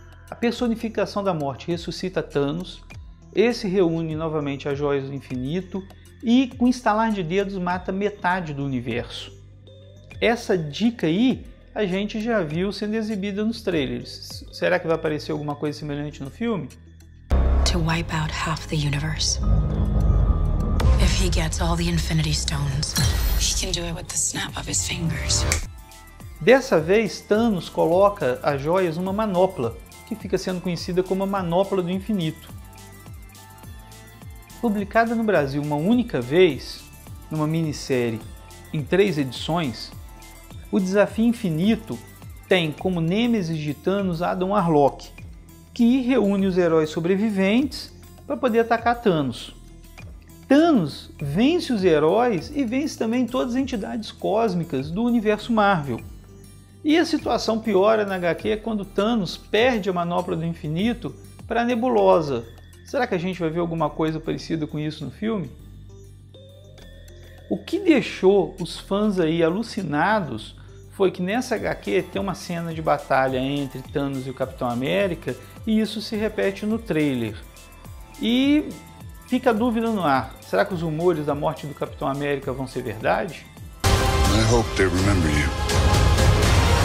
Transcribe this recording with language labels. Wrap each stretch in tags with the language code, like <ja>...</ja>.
<pt>A personificação da morte ressuscita Thanos, esse reúne novamente as joias do infinito e, com um estalar de dedos, mata metade do universo. Essa dica aí a gente já viu sendo exibida nos trailers. Será que vai aparecer alguma coisa semelhante no filme?</pt> <en>To wipe out half the universe. If he gets all the Infinity Stones, he can do it with the snap of his fingers.</en> <pt>Dessa vez, Thanos coloca as joias numa manopla, que fica sendo conhecida como a Manopla do Infinito. Publicada no Brasil uma única vez, numa minissérie em 3 edições, O Desafio Infinito tem como nêmesis de Thanos Adam Warlock, que reúne os heróis sobreviventes para poder atacar Thanos. Thanos vence os heróis e vence também todas as entidades cósmicas do universo Marvel. E a situação piora na HQ quando Thanos perde a Manopla do Infinito para a Nebulosa. Será que a gente vai ver alguma coisa parecida com isso no filme? O que deixou os fãs aí alucinados foi que nessa HQ tem uma cena de batalha entre Thanos e o Capitão América e isso se repete no trailer. E fica a dúvida no ar, será que os rumores da morte do Capitão América vão ser verdade?</pt> <en>I hope they remember you.</en>